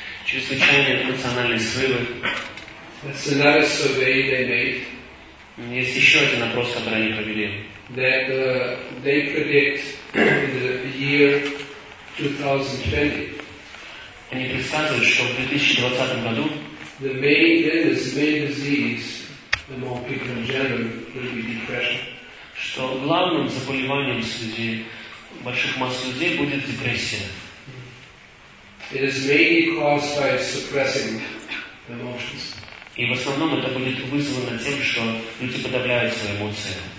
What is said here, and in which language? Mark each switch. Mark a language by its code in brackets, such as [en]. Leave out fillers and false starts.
[ru] Чрезвычайные эмоциональные срывы. [en] That's another survey they made. [ru] Есть еще один опрос, который они провели. [en] That they predict the year 2020. [ru] Они предсказывают, что в 2020 году [en] the main illness, main disease among people in general will be depression. [ru] Что главным заболеванием среди больших масс людей будет депрессия. [en] It is mainly caused by suppressing emotions. [ru] И в основном это будет вызвано тем, что люди подавляют свои эмоции.